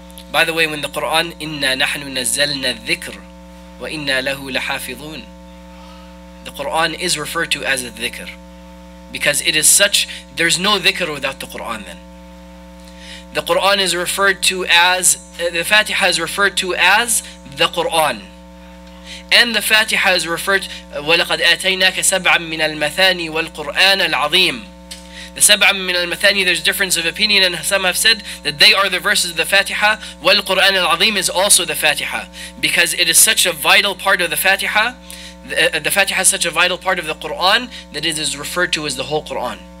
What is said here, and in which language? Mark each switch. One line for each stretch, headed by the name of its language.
English: By the way, when the Quran,
Arabic: Inna nahnu nazzalna dhikr, wa inna lahu lahafidhun,
English: the Quran is referred to as a dhikr. Because it is such, there's no dhikr without the Quran then. The Quran is referred to as, the Fatiha is referred to as the Quran. And the Fatiha is referred,
Arabic: وَلَقَدْ آتَيْنَاكَ سَبْعًا مِنَ الْمَثَانِي وَالْقُرْآنَ الْعَظِيمِ.
English: The
Arabic: سَبْعًا مِنَ الْمَثَانِي,
English: there's difference of opinion, and some have said that they are the verses of the Fatiha.
Arabic: وَالْقُرْآنَ الْعَظِيمِ
English: is also the Fatiha. Because it is such a vital part of the Fatiha, the Fatiha is such a vital part of the Quran, that it is referred to as the whole Quran.